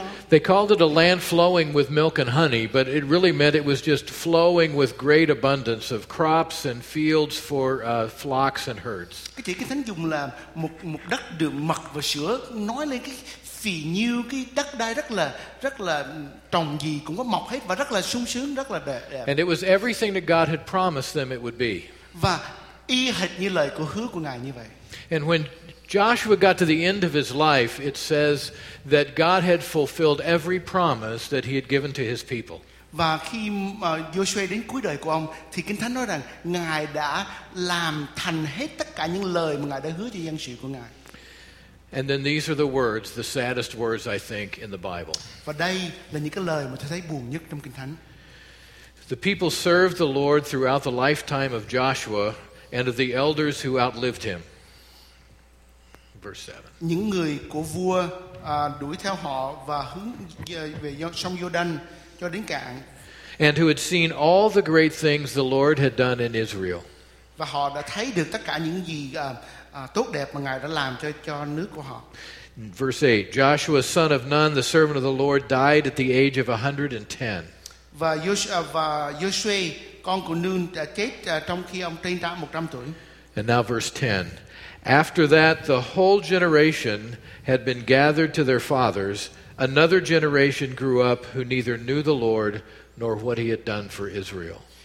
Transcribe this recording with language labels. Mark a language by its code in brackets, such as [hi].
[en] They called it a land flowing with milk and honey, but it really meant it was just flowing with great abundance of crops and fields for flocks and herds. [vi] Cái thánh dùng là một đất đượm mật và sữa, nói lên cái phì nhiêu, cái đất đai rất là trồng gì cũng có mọc hết và rất là sung sướng, rất là đẹp. [en] And it was everything that God had promised them it would be. [vi] Và y hệt như lời của hứa của Ngài như vậy. [en] And when Joshua got to the end of his life, it says that God had fulfilled every promise that he had given to his people. [vi] Và khi Joshua đến cuối đời của ông thì Kinh Thánh nói rằng Ngài đã làm thành hết tất cả những lời mà Ngài đã hứa cho dân sự của Ngài. [en] And then these are the words, the saddest words I think in the Bible. [vi] Và đây là những cái lời mà tôi thấy buồn nhất trong Kinh Thánh. [en] The people served the Lord throughout the lifetime of Joshua and of the elders who outlived him. Verse 7. [vi] Những người của vua đuổi theo họ và hướng về sông Giô-đanh cho đến cạn. [en] And who had seen all the great things the Lord had done in Israel. [vi] Và họ đã thấy được tất cả những gì tốt đẹp mà Ngài đã làm cho nước của họ. [en] Verse 8. Joshua, son of Nun, the servant of the Lord, died at the age of 110. [vi] Và Joshua, con của Nun, đã chết trong khi ông trên 100 tuổi. [en] And now verse 10. After that, the whole generation had been gathered to their fathers. Another generation grew up who neither knew the Lord nor what he had done for Israel.